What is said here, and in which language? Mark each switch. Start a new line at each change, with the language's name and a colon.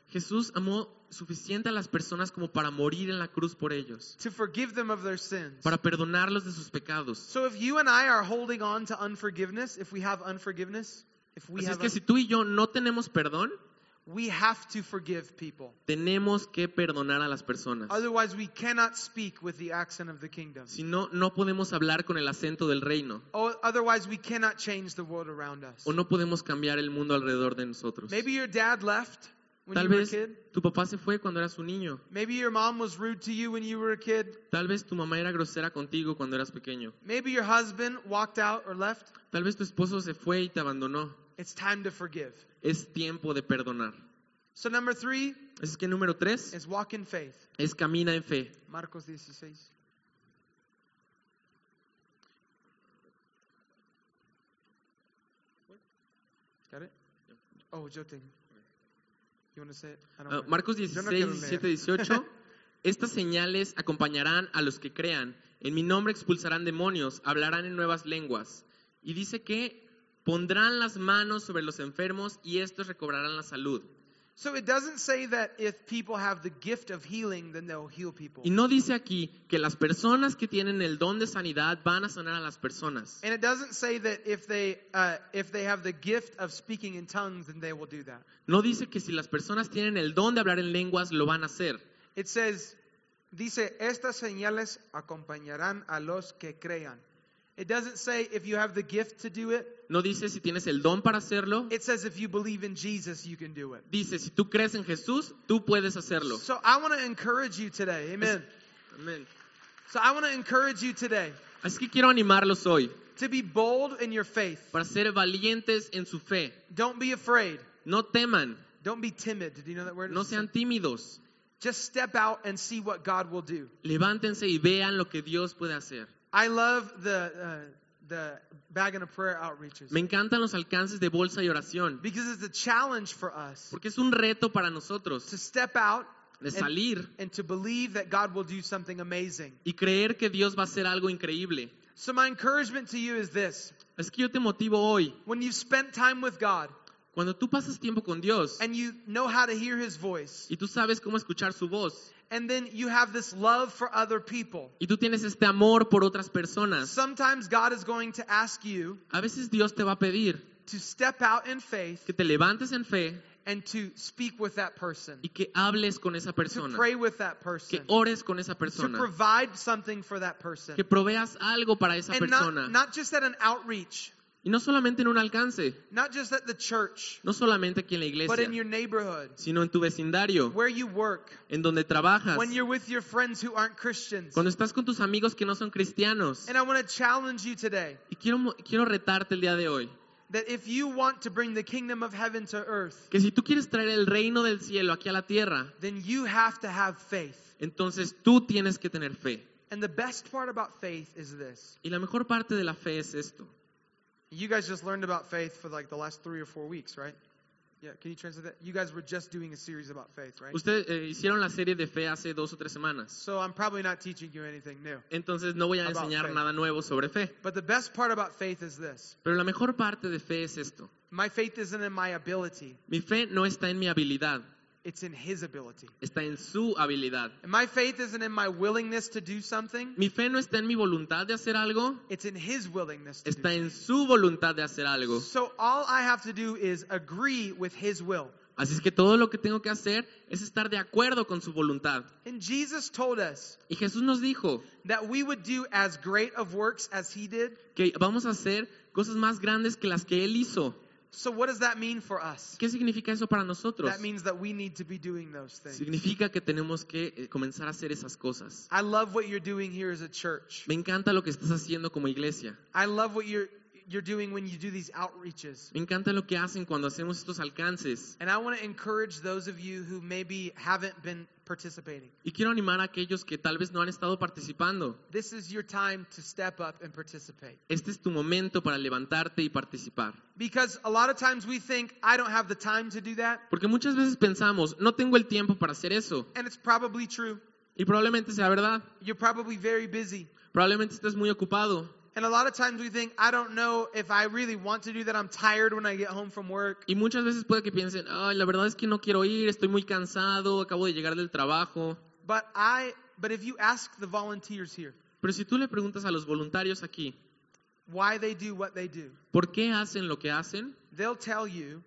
Spanish: Jesús amó suficiente a las personas como para morir en la cruz por ellos.
English: To forgive them of their sins.
Spanish: Para perdonarlos de sus pecados.
English: So if you and I are holding on to unforgiveness, if we have unforgiveness, if we
Spanish: así
English: have
Spanish: es que si tú y yo no tenemos perdón,
English: we have to forgive people.
Spanish: Tenemos que perdonar a las personas.
English: Otherwise we cannot speak with the accent of the kingdom.
Spanish: Si no, no podemos hablar con el acento del reino.
English: Otherwise we cannot change the world around us.
Spanish: O no podemos cambiar el mundo alrededor de nosotros.
English: Maybe your dad left when
Spanish: tal
English: you
Spanish: vez
English: were a kid.
Spanish: Tu papá se fue cuando eras un niño.
English: Maybe your mom was rude to you when you were a kid.
Spanish: Tal vez tu mamá era grosera contigo cuando eras pequeño.
English: Maybe your husband walked out or left.
Spanish: Tal vez tu esposo se fue y te abandonó.
English: It's time to forgive.
Spanish: Es tiempo de perdonar.
English: So number three.
Spanish: Es que número tres.
English: Is walk in faith.
Spanish: Es camina en fe. Marcos 16.
English: Got it? Oh,
Spanish: yo tengo.
English: You want to say it?
Spanish: Marcos 16, 17, 18. Estas señales acompañarán a los que crean. En mi nombre expulsarán demonios. Hablarán en nuevas lenguas. Y dice que pondrán las manos sobre los enfermos y estos recobrarán la salud.
English: So it doesn't say that if people have the gift of healing, then they'll heal people.
Spanish: Y no dice aquí que las personas que tienen el don de sanidad van a sanar a las personas.
English: And it doesn't say that if they have the gift of speaking in tongues, then they will do that.
Spanish: No dice que si las personas tienen el don de hablar en lenguas lo van a hacer.
English: It says,
Spanish: dice, estas señales acompañarán a los que crean.
English: It doesn't say if you have the gift to do it.
Spanish: No dice si tienes el don para hacerlo.
English: It says if you believe in Jesus, you can do it.
Spanish: Dice si tú crees en Jesús, tú puedes hacerlo.
English: So I want to encourage you today. Amen. Amen. So I want to encourage you today.
Spanish: Así que quiero animarlos hoy.
English: To be bold in your faith.
Spanish: Para ser valientes en su fe.
English: Don't be afraid.
Spanish: No teman.
English: Don't be timid. Do you know that word?
Spanish: No sean tímidos.
English: Just step out and see what God will do.
Spanish: Levántense y vean lo que Dios puede hacer.
English: I love the bag and a prayer outreaches.
Spanish: Me encantan los alcances de bolsa y oración.
English: Because it's a challenge for us.
Spanish: Porque es un reto para nosotros.
English: To step out.
Spanish: De salir.
English: And to believe that God will do something amazing.
Spanish: Y creer que Dios va a hacer algo increíble.
English: So my encouragement to you is this.
Spanish: Es que yo te motivo hoy.
English: When you've spent time with God.
Spanish: Cuando tú pasas tiempo con Dios.
English: And you know how to hear His voice.
Spanish: Y tú sabes cómo escuchar su voz.
English: And then you have this love for other people.
Spanish: Y tú tienes este amor por otras personas.
English: Sometimes God is going to ask you.
Spanish: A veces Dios te va a pedir.
English: To step out in faith.
Spanish: Que te levantes en fe.
English: And to speak with that person.
Spanish: Y que hables con esa persona.
English: To pray with that person.
Spanish: Que ores con esa persona.
English: To provide something for that person.
Spanish: Que proveas algo para esa persona.
English: And not just at an outreach.
Spanish: Y no solamente en un alcance.
English: Not just at the church,
Spanish: no solamente aquí en la iglesia.
English: But in your neighborhood,
Spanish: sino en tu vecindario.
English: Where you work,
Spanish: en donde trabajas.
English: When you're with your friends who aren't Christians.
Spanish: Cuando estás con tus amigos que no son cristianos.
English: And I want to challenge you today,
Spanish: y quiero retarte el día de hoy.
English: That if you want to bring the kingdom of heaven to earth,
Spanish: que si tú quieres traer el reino del cielo aquí a la tierra,
English: then you have to have faith.
Spanish: Entonces tú tienes que tener fe.
English: And the best part about faith is this.
Spanish: Y la mejor parte de la fe es esto.
English: You guys just learned about faith for like the last 3 or 4 weeks, right? Yeah, can you translate that? You guys were just doing a series about faith, right?
Spanish: Ustedes hicieron la serie de fe hace 2 o 3 semanas.
English: So I'm probably not teaching you anything new.
Spanish: Entonces no voy a enseñar nada nuevo sobre fe.
English: But the best part about faith is this.
Spanish: Pero la mejor parte de fe es esto.
English: My faith isn't in my ability.
Spanish: Mi fe no está en mi habilidad.
English: It's in his ability.
Spanish: Está en su habilidad.
English: And my faith isn't in my willingness to do something.
Spanish: Mi fe no está en mi voluntad de hacer algo.
English: It's in his willingness to do.
Spanish: Está en su voluntad de hacer algo.
English: So all I have to do is agree with his will.
Spanish: Así es que todo lo que tengo que hacer es estar de acuerdo con su voluntad.
English: And Jesus told us.
Spanish: Y Jesús nos dijo.
English: That we would do as great of works as he did.
Spanish: Que vamos a hacer cosas más grandes que las que él hizo.
English: So what does that mean for us?
Spanish: ¿Qué significa eso para nosotros?
English: That means that we need to be doing those things.
Spanish: Significa que tenemos que comenzar a hacer esas cosas.
English: I love what you're doing here as a church.
Spanish: Me encanta lo que estás haciendo como iglesia.
English: I love what you're doing when you do these outreaches.
Spanish: Me encanta lo que hacen cuando hacemos estos alcances.
English: And I want to encourage those of you who maybe haven't been participating.
Spanish: Y quiero animar a aquellos que tal vez no han estado participando.
English: This is your time to step up and participate.
Spanish: Este es tu momento para levantarte y participar.
English: Because a lot of times we think I don't have the time to do that.
Spanish: Porque muchas veces pensamos, no tengo el tiempo para hacer eso.
English: And it's probably true.
Spanish: Y probablemente sea verdad.
English: You're probably very busy.
Spanish: Probablemente estés muy ocupado.
English: And a lot of times we think, I don't know if I really want to do that. I'm tired when I get home from work.
Spanish: Y muchas veces puede que piensen, ay, la verdad es que no quiero ir. Estoy muy cansado. Acabo de llegar del trabajo.
English: But if you ask the volunteers here,
Spanish: pero si tú le preguntas a los voluntarios aquí,
English: why they do what they do,
Spanish: ¿por qué hacen lo que hacen?
English: They'll tell you,